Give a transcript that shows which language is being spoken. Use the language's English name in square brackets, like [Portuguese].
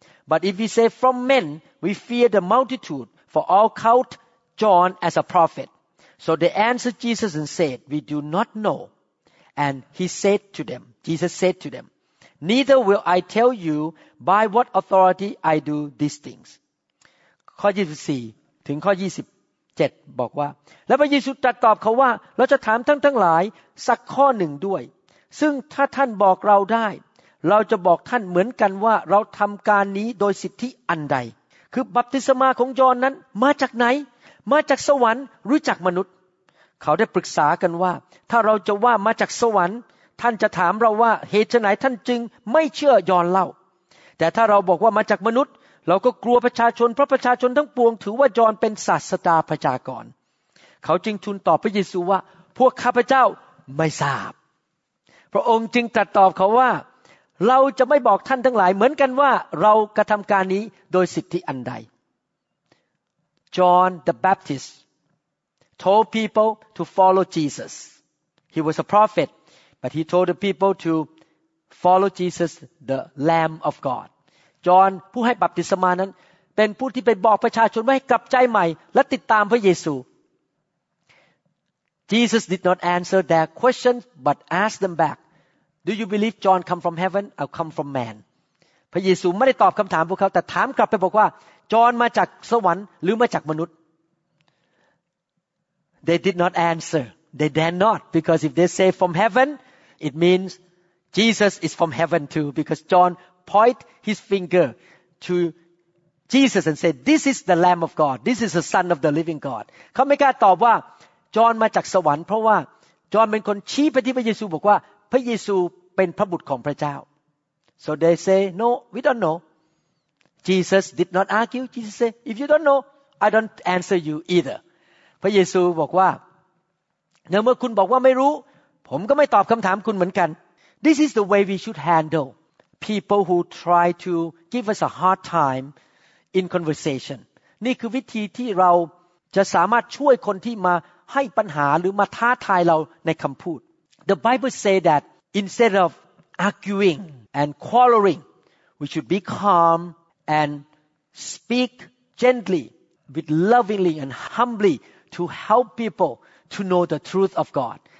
[English] But if we say from men, we fear the multitude, for all count John as a prophet. So they answered Jesus and said, We do not know. And he said to them, Jesus said to them, Neither will I tell you by what authority I do these things. [Thai] ข้อ24ถึงข้อ27บอกว่าแล้วพระเยซูตรัสตอบเขาว่าเราจะถามท่านทั้งหลายสักข้อหนึ่งด้วยซึ่งถ้าท่านบอกเราได้เราจะบอกท่านเหมือนกันว่าเราทำการนี้โดยสิทธิอันใดคือบัพติศมาของยอห์นนั้นมาจากไหนมาจากสวรรค์หรือจากมนุษย์ เขาได้ปรึกษากันว่าถ้าเราจะว่ามาจากสวรรค์ท่านจะถามเราว่าเหตุไฉนท่านจึงไม่เชื่อยอห์นเล่าแต่ถ้าเราบอกว่ามาจากมนุษย์เราก็กลัวประชาชนเพราะประชาชนทั้งปวงถือว่ายอห์นเป็นศาสดาพยากรณ์ เขาจึงทูลตอบพระเยซูว่าพวกข้าพเจ้าไม่ทราบพระองค์จึงตรัสตอบเขาว่าเราจะไม่บอกท่านทั้งหลายเหมือนกันว่าเรากระทำการนี้โดยสิทธิอันใดจอห์นเดอะแบปติสต์ [English] Told people to follow Jesus. He was a prophet, but he told the people to follow Jesus, the Lamb of God. John, who had baptism, is the one who told the people to come back to their hearts and follow Jesus. Jesus did not answer their questions, but asked them back, Do you believe John come from heaven or come from man? Jesus did not answer their questions, but asked them back, John come from heaven or come from man? They did not answer. They dare not. Because if they say from heaven, it means Jesus is from heaven too. Because John point his finger to Jesus and said, This is the Lamb of God. This is the Son of the living God. He did not answer John from heaven. Because John was the one who pointed to Jesus and said, Jesus is the Son of God. So they say, No, we don't know. Jesus did not argue. Jesus said, If you don't know, I don't answer you either. [Thai] พระเยซูบอกว่าเมื่อคุณบอกว่าไม่รู้ผมก็ไม่ตอบคำถามคุณเหมือนกัน [English] This is the way we should handle people who try to give us a hard time in conversation [Thai] นี่คือวิธีที่เราจะสามารถช่วยคนที่มาให้ปัญหาหรือมาท้าทายเราในคำพูด [English] The Bible say that instead of arguing and quarreling we should be calm and speak gently with lovingly and humblyTo help people to know the truth of God.